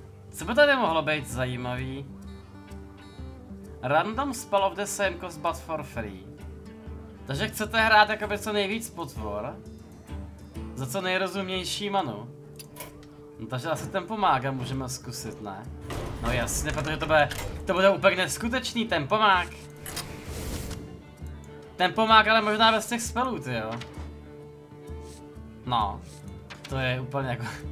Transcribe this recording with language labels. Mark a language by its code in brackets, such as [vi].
[cs] Co by tady mohlo být zajímavý? [en] Random spell of the same cost but for free. [cs] Takže chcete hrát jakoby co nejvíc potvor. Za co nejrozumnější manu. No takže asi tempomák můžeme zkusit, ne? No jasně, protože to bude úplně neskutečný tempomák. Tempomák ale možná bez těch spelů, ty jo. No. To je úplně jako...